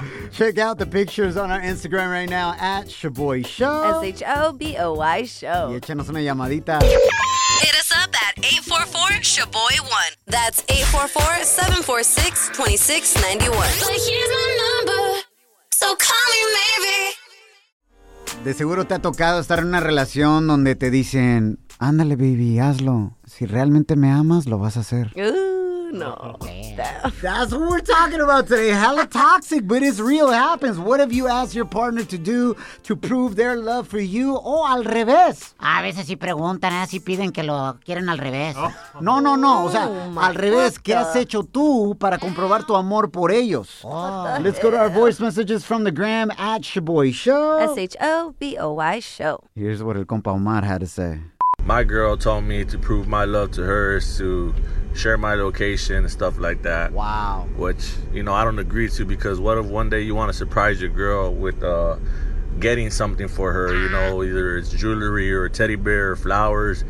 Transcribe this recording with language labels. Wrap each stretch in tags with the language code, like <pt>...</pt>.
<en>Check out the pictures on our Instagram right now at Shaboy Show. Shaboy Show.</en> <es>Y échenos una llamadita.</es> <en>Hit us up at 844-SHABOY1. That's 844-746-2691. But here's my number, so call me maybe.</en> <es>De seguro te ha tocado estar en una relación donde te dicen, ándale baby, hazlo. Si realmente me amas, lo vas a hacer. No.</es> <en>That's what we're talking about today. Hella toxic, but it's real. It happens. What have you asked your partner to do to prove their love for you?</en> <es>Oh, al revés. A veces si preguntan, si piden que lo quieren al revés. No. O sea, al revés. ¿Qué has hecho tú para comprobar tu amor por ellos?</es> <en>Let's go to our voice messages from the gram at Shaboy Show. Shaboy Show. Here's what</en> <es>el compa</es> <en>Omar had to say. My girl told me to prove my love to her is to share my location and stuff like that. Wow. Which, you know, I don't agree to because what if one day you want to surprise your girl with getting something for her, you know, either it's jewelry or a teddy bear or flowers.</en>